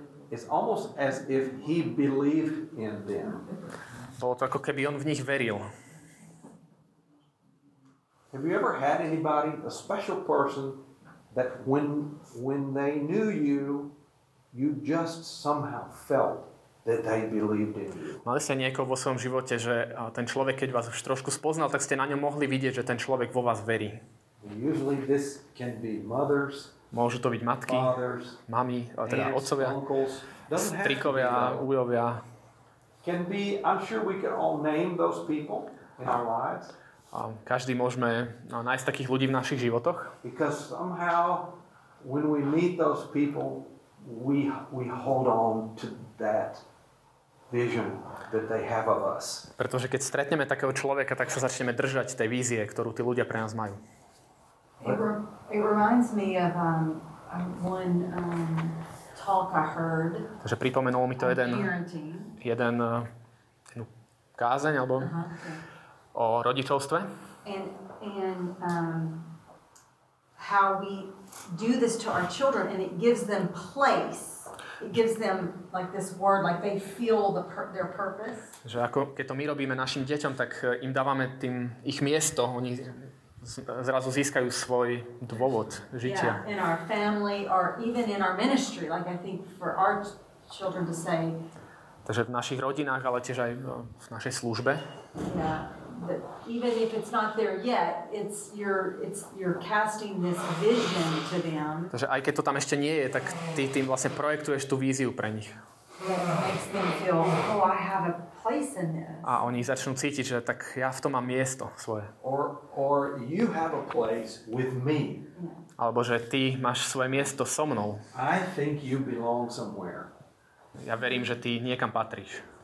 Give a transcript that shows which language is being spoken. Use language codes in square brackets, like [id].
[en] It's almost as if he believed in them. [sk] Bolo to ako keby on v nich veril. [en] Have you ever had anybody, a special person, that when they knew you, you just somehow felt that they believed in you? [sk] Mali ste niekoho vo svojom živote, že ten človek, keď vás už trošku spoznal, tak ste na ňom mohli vidieť, že ten človek vo vás verí. [en] Usually this can be mothers, [sk] môžu to byť matky, [en] fathers, [sk] mami, teda otcovia, [en] uncles, [sk] strikovia, ujovia. [en] Can be, I'm sure we can all name those people in our lives. [sk] Každý môžeme nájsť takých ľudí v našich životoch. [en] Because somehow when we meet those people we hold on to that vision that they have of us. [sk] Pretože keď stretneme takého človeka, tak sa začneme držať tej vízie, ktorú tí ľudia pre nás majú. [en] It reminds me of one talk I heard. [sk] Takže pripomenulo mi to jednu kázeň alebo o rodičovstve. [en] And how we do this to our children and it gives them place. It gives them like this word like they feel their purpose. [sk] Že ako keď to my robíme našim deťom, tak im dávame tým ich miesto, oni zrazu získajú svoj dôvod žitia. [en] Yeah, in our family or even in our ministry, like I think for our children to say. [sk] Takže v našich rodinách, ale tiež aj v našej službe. [en] Yeah. That even if it's not there yet, it's you're casting this vision to them. [sk] Takže aj keď to tam ešte nie je, tak ty tým vlastne projektuješ tú víziu pre nich. [en] Makes them feel, oh, I have a place in this. [sk] A oni začnú cítiť, že tak ja v tom mám miesto svoje. [en] Or you have a place with me. [sk] Alebo že ty máš svoje miesto so mnou. [en] I think you belong somewhere. [sk] Ja verím, že ty niekam patríš.